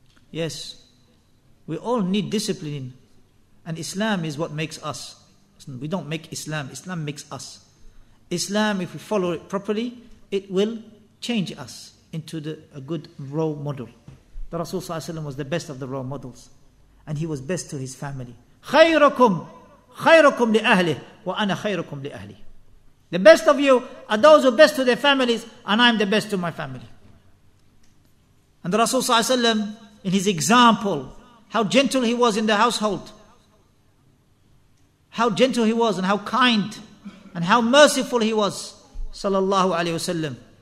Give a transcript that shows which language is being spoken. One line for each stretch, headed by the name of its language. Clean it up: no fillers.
English: Yes, we all need discipline. And Islam is what makes us. We don't make Islam. Islam makes us. Islam, if we follow it properly, it will change us into a good role model. The Rasul sallallahu alayhi wa sallam was the best of the role models. And he was best to his family.
Arabic: خيركم خيركم لأهله وأنا خيركم لأهلي.
English: The best of you are those who are best to their families, and I am the best to my family. And the Rasul sallallahu alayhi wa sallam, in his example, how gentle he was in the household. How gentle he was, and how kind, and how merciful he was, sallallahu alayhi wa sallam.